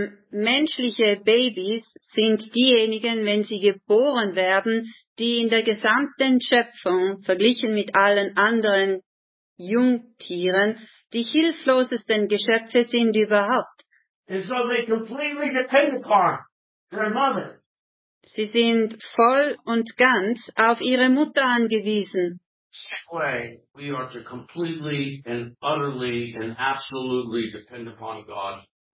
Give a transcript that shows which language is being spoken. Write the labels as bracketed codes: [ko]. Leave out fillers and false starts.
[de] Menschliche Babys sind diejenigen, wenn sie geboren werden, die in der gesamten Schöpfung, verglichen mit allen anderen Jungtieren, die hilflosesten Geschöpfe sind überhaupt. [en] And so they completely depend upon their mother. [de] Sie sind voll und ganz auf ihre Mutter angewiesen. [en] Way, we are to completely and utterly and absolutely depend upon God.